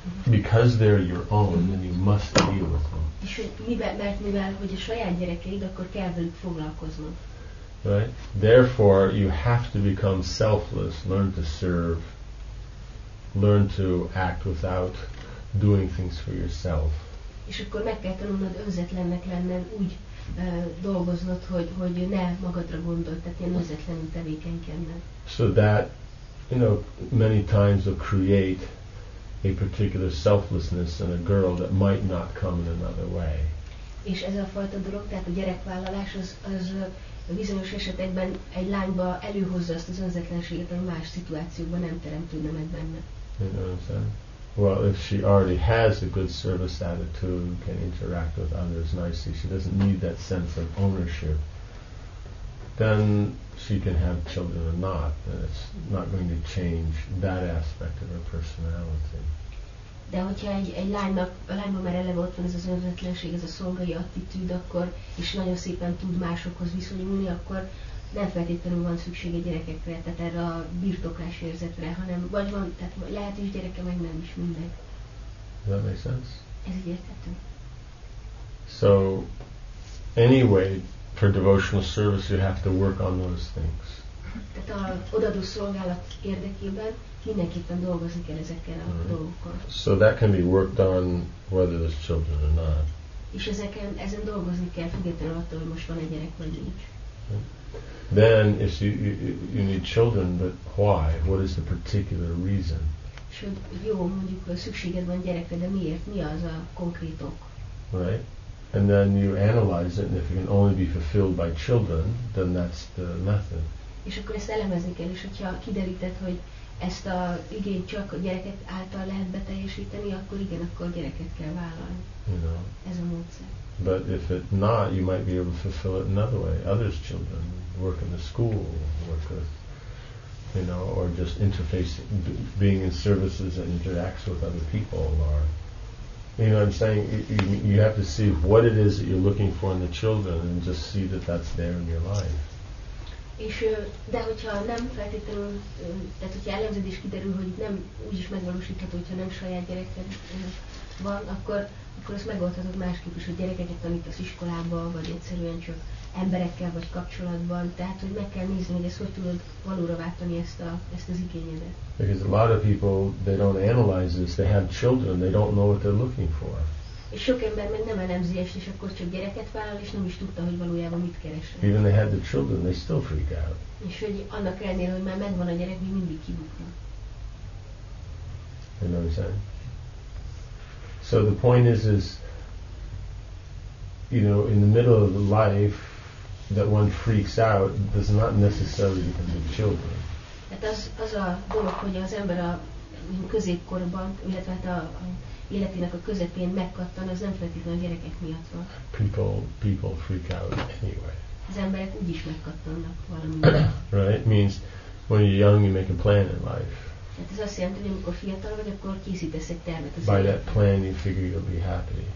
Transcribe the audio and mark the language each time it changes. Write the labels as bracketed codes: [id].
[en] Because they're your own, then you must deal with them. [hu] És mivel, hogy a saját gyerekeid, akkor kell velük foglalkoznod. [en] Right? Therefore, you have to become selfless, learn to serve, learn to act without doing things for yourself. [hu] És akkor meg kell tanulnod önzetlennek lenned, úgy dolgoznod, hogy ne magadra gondolj, tehát ilyen önzetlenül tevékenykedned. [en] So that, you know, many times will create a particular selflessness in a girl that might not come in another way. [hu] És ez a fajta dolog, tehát a gyerekvállalás az bizonyos esetekben egy lányba előhozza azt az önzetlenséget, ami más szituációban nem teremtődne meg benne. [en] You know what I'm saying? Well, if she already has a good service attitude, can interact with others nicely, she doesn't need that sense of ownership, then she can have children or not, and it's not going to change that aspect of her personality. [hu] De hogyha egy lánynak, a lányban már eleve ott van ez az önzetlenség, ez a szolgai attitűd, akkor, és nagyon szépen tud másokhoz viszonyulni, akkor nem feltétlenül van szüksége gyerekekre, tehát erre a birtoklás érzetre, hanem vagy van, tehát lehet is gyereke, meg nem is, mindegy. [en] Does that make sense? [hu] Ez így érthető. [en] So, anyway, for devotional service, you have to work on those things. [hu] Tehát a odaadó szolgálat érdekében mindenképpen dolgozni kell ezekkel a dolgokkal. [en] So that can be worked on whether there's children or not. [hu] És ezen dolgozni kell, függetlenül attól, hogy most van-e gyerek vagy nincs. [en] Then, if you need children, but why? What is the particular reason? [hu] Jó, mondjuk, hogy szükséged van gyerekre, de miért? Mi az a konkrét ok? [en] Right. And then you analyze it, and if it can only be fulfilled by children, then that's the method. [hu] És akkor ezt elemezni kell, és hogyha kideríted, hogy ezt a igényt csak a gyerekek által lehet beteljesíteni, akkor igen, akkor a gyereket kell vállalni. [en] You know. [hu] Ez a módszer. [en] But if it not, you might be able to fulfill it another way. Others' children, work in the school, work with, you know, or just interfacing, being in services that interacts with other people, or, you know what I'm saying? You have to see what it is that you're looking for in the children and just see that that's there in your life. [hu] És de hogyha nem feltétlenül, tehát hogyha elemzed és kiderül, hogy nem úgyis megvalósítható, hogyha nem saját gyereked van, akkor ezt megoldhatod másképp is, hogy gyerekeket tanítasz iskolában, vagy egyszerűen csak emberekkel vagy kapcsolatban. Tehát, hogy meg kell nézni, hogy ezt hogy tudod valóra váltani ezt az igényedet. [en] Because a lot of people, they don't analyze this, they have children, they don't know what they're looking for. [hu] És sok ember meg nem elemzi ezt, és akkor csak gyereket vállal, és nem is tudta, hogy valójában mit keresett. [en] Even they had the children, they still freak out. [hu] És hogy annak ellenére, hogy már megvan a gyerek, még mindig kibukna. [en] You know what I'm saying? So the point is, you know, in the middle of the life, that one freaks out does not necessarily become the children. [hu] Hát az a dolog, hogy az ember a középkorban, illetve hát a életének a közepén megkattan, az nem feltétlenül a gyerekek miatt van. People freak out anyway. az emberek úgy is megkattannak valamit. [en] Right, means when you're young you make a plan in life. [hu] Tehát ez azt jelenti, hogy amikor fiatal vagy, akkor készítesz egy tervet az életre. [en] By that plan you figure you'll be happy.